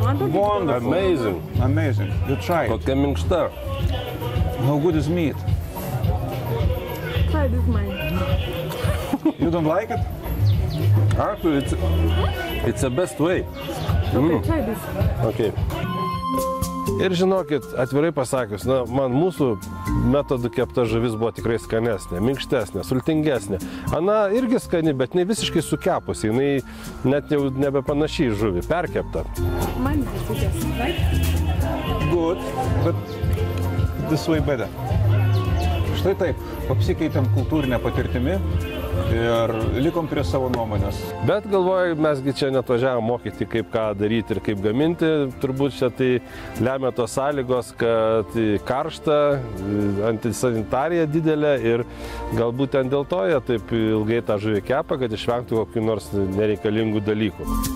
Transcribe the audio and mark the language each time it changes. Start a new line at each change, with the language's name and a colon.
English: Wonderful. Amazing. Amazing. You try it.
Lithuanian: Kokia minkšta.
English: How good is meat? Try this mine. You don't like it? Actually, it's the best way. Okay, try this. Okay.
Lithuanian: Ir žinokit, atvirai pasakius, na, man mūsų metodų kepta žuvis buvo tikrai skanesnė, minkštesnė, sultingesnė. Ana irgi skani, bet ne visiškai sukepusi, jinai net jau nebepanašiai žuvį, perkepta. Man visiškai, right?
English: Good, but this way better.
Lithuanian: Štai taip, apsikeitėm kultūrinę patirtimi ir likom prie savo nuomonės. Bet galvoju, mesgi čia netvažiavom mokyti, kaip ką daryti ir kaip gaminti. Turbūt čia tai lemia tos sąlygos, kad karšta, antisanitarija didelė ir galbūt ten dėl to jie taip ilgai tą žuvį kepa, kad išvengtų kokių nors nereikalingų dalykų.